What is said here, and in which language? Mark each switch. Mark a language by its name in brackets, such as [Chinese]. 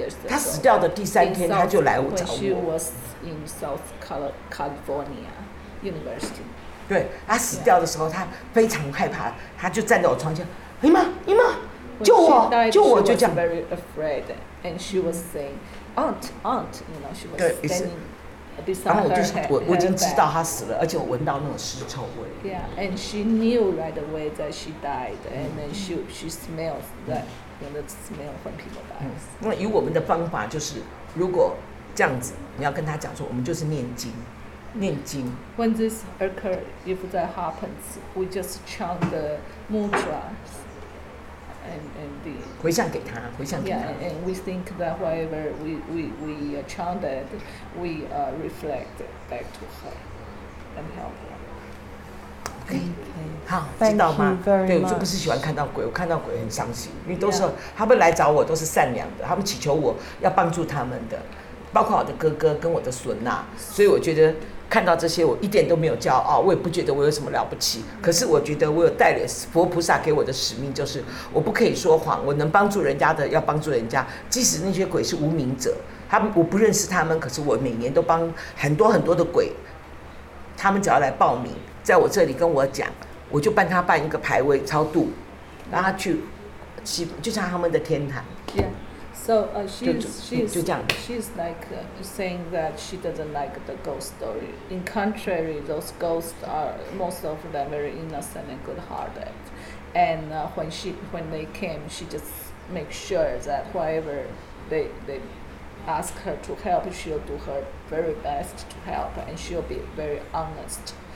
[Chinese] 她死掉的第三天，她就来找我。 [English] She was in South California University. [Chinese] 对，她死掉的时候，她非常害怕，她就站在我床前，姨妈，姨妈，救我，救我，就这样。 [English] She was very afraid, and she was saying, "Aunt, aunt," you know, she was standing. [Chinese] 然后我就想，我已经知道他死了，而且我闻到那种尸臭味。 [English] Yeah, and she knew right away that she died, and then she smells that, you know, the smell when people die. [Chinese] 那以我们的方法就是如果这样子，你要跟他讲说，我们就是念经，念经。 [English] When this occur, if that happens, we just chant the mantra and the [Chinese] 回向给他，回向给他。 [English] Yeah, and we think that whatever we chanted, we reflect back to her and help her. [Chinese] Okay. 好，知道吗？对，我就不是喜欢看到鬼，我看到鬼很伤心。因为都是、 [English] yeah. [Chinese] 他们来找我，都是善良的，他们祈求我要帮助他们的，包括我的哥哥跟我的孙呐、啊。所以我觉得看到这些，我一点都没有骄傲，我也不觉得我有什么了不起。可是我觉得我有带领佛菩萨给我的使命，就是我不可以说谎，我能帮助人家的要帮助人家，即使那些鬼是无名者，他们我不认识他们，可是我每年都帮很多很多的鬼，他们只要来报名，在我这里跟我讲。我就帮他办一个牌位超度，让他去，就像他们的天堂。 [English] Yeah, so she's [Chinese] 就这样。 [English] She's like saying that she doesn't like the ghost story. In contrary, those ghosts are most of them very innocent and good-hearted. And when they came, she just make sure that whatever they ask her to help, she'll do her very best to help, and she'll be very honest.